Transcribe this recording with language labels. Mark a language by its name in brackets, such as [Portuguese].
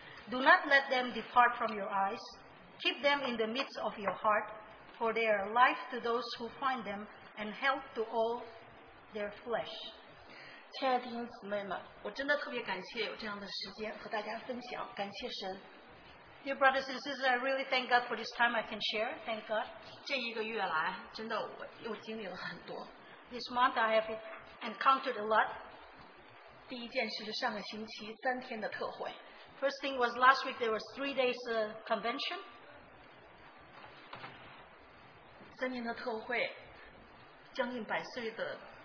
[English] Do not let them depart from your eyes. Keep them in the midst of your heart, for they are life to those who find them and health to all their flesh. [Chinese] 亲爱的弟兄姊妹们，我真的特别感谢有这样的时间和大家分享，感谢神。 [English] Dear brothers and sisters, I really thank God for this time I can share. Thank God. [Chinese] 这一个月来，真的我经历了很多。 [English] This month I have encountered a lot. [Chinese] 第一件事是上个星期三天的特会。 [English] First thing was last week there was 3 days convention. [Chinese] 三天的特会，将近百岁的。